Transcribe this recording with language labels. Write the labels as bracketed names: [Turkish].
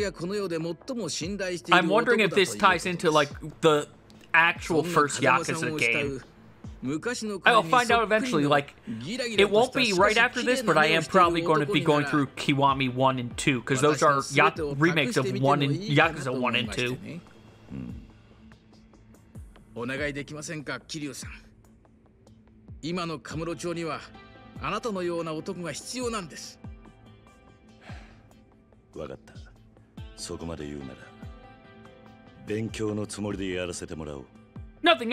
[Japanese] 昔ちょっとね詳しくは言えないが一つだけ言えるとしたら風間さんは私がこの世で最も信頼している男ということです。 [English] I'm wondering if this ties into like the actual first Yakuza game. I'll find out eventually. Like, it won't be right after this, but I am probably going to be going through Kiwami 1 and 2 because those are remakes of one and Yakuza 1 and 2. [Japanese] お願いできませんか、キリュウさん。今のカムロ町にはあなたのような男が必要なんです。分かった。そこまで言うなら勉強のつもりでやらせてもらおう。 [English] Nothing